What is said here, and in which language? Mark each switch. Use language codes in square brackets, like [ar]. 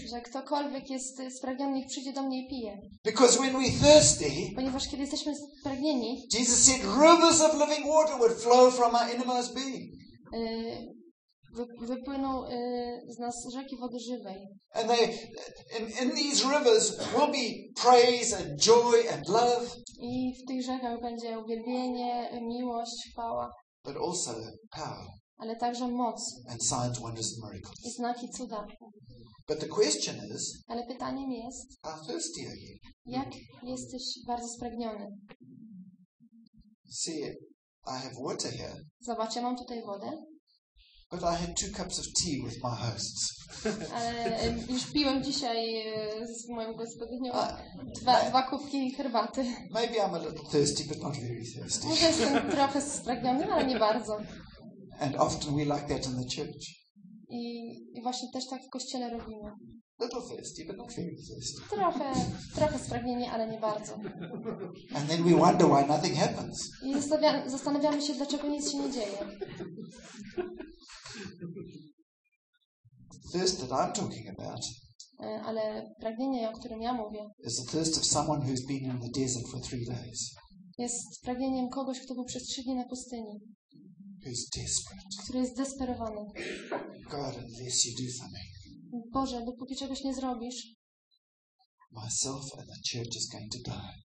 [pl] Że ktokolwiek jest spragniony, przyjdzie do mnie i pije. [en] Because when we thirsty. [pl] Ponieważ kiedy jesteśmy spragnieni. [en] Jesus said, rivers of living water would flow from our innermost being. [pl] wypłynął z nas rzeki wody żywej. [en] And they, in these rivers will be praise and joy and love. [pl] I w tych rzekach będzie uwielbienie, miłość, chwała. [en] But also power. [pl] Ale także moc. [en] And signs, wonders and miracles. [pl] I znaki, cuda. [en] But the question is, [pl] ale pytaniem jest, [en] how thirsty are you? [pl] Jak jesteś bardzo spragniony? [en] See, I have water here. [pl] Zobacz, ja mam tutaj wodę. [en] But I had two cups of tea with my hosts. [pl] Ale już piłem dzisiaj z moją gospodynią dwa kubki herbaty. [en] Maybe I'm a little thirsty, but not very thirsty. [pl] Może jestem trochę spragniony, ale nie bardzo. [en] And often we like that in the church. [pl] I właśnie też tak w kościele robimy. [en] Little thirsty, but not very thirsty. [pl] Trochę spragnieni, ale nie bardzo. [en] And then we wonder why nothing happens. [pl] I zastanawiamy się, dlaczego nic się nie dzieje. [en] Thirst that I'm talking about. [pl] Ale pragnienie, o którym ja mówię. [en] Is the thirst of someone who's been in the desert for 3 days. [pl] Jest pragnieniem kogoś, kto był przez 3 dni na pustyni. [en] Who's desperate. [pl] Który jest zdesperowany. [en] God, unless you do something. [pl] Boże, dopóki czegoś nie zrobisz. [en] Myself and the church is going to die.